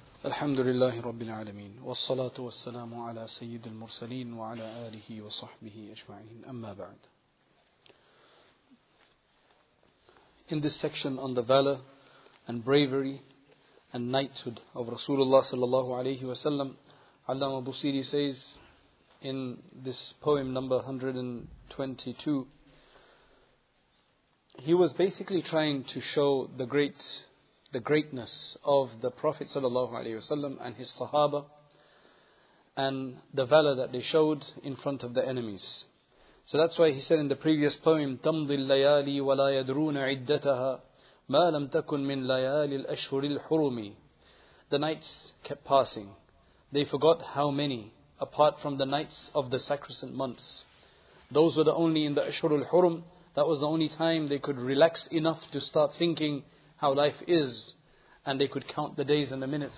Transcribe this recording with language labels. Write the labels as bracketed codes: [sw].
[ar] الحمد لله رب العالمين، والصلاة والسلام على سيد المرسلين وعلى آله وصحبه أجمعين، أما بعد. [en] In this section on the valor and bravery and knighthood of Rasulullah sallallahu alayhi wa sallam, Allama Busiri says in this poem number 122, he was basically trying to show the greatness of the Prophet sallallahu alayhi wa sallam and his Sahaba, and the valor that they showed in front of the enemies. So that's why he said in the previous poem, [ar] تَمْضِي اللَّيَالِي وَلَا يَدْرُونَ عِدَّتَهَا مَا لَمْ تَكُنْ مِنْ لَيَالِي الْأَشْهُرِ الْحُرُمِ. [en] The nights kept passing. They forgot how many, apart from the nights of the sacrosanct months. Those were the only in the أَشْهُرُ الْحُرُمِ. That was the only time they could relax enough to start thinking how life is, and they could count the days and the minutes.